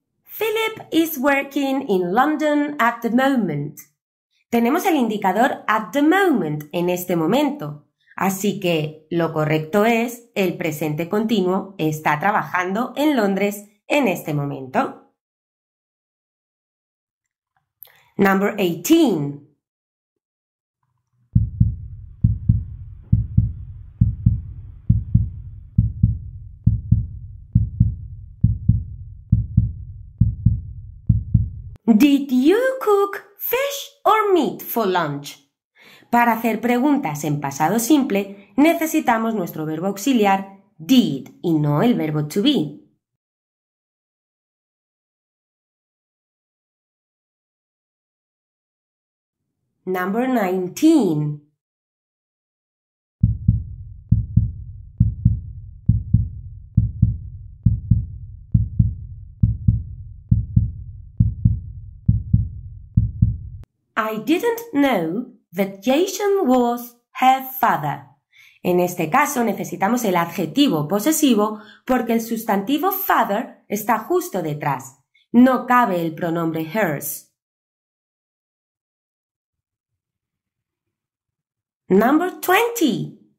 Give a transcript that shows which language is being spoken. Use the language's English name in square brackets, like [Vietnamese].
[English] Philip is working in London at the moment. [Spanish] Tenemos el indicador [English] at the moment, [Spanish] en este momento. Así que lo correcto es el presente continuo está trabajando en Londres en este momento. [English] Number 18. Did you cook fish or meat for lunch? [Spanish] Para hacer preguntas en pasado simple, necesitamos nuestro verbo auxiliar did y no el verbo to be. [English] Number 19. I didn't know that Jason was her father. [Spanish] En este caso necesitamos el adjetivo posesivo porque el sustantivo father está justo detrás. No cabe el pronombre hers. [English] Number 20.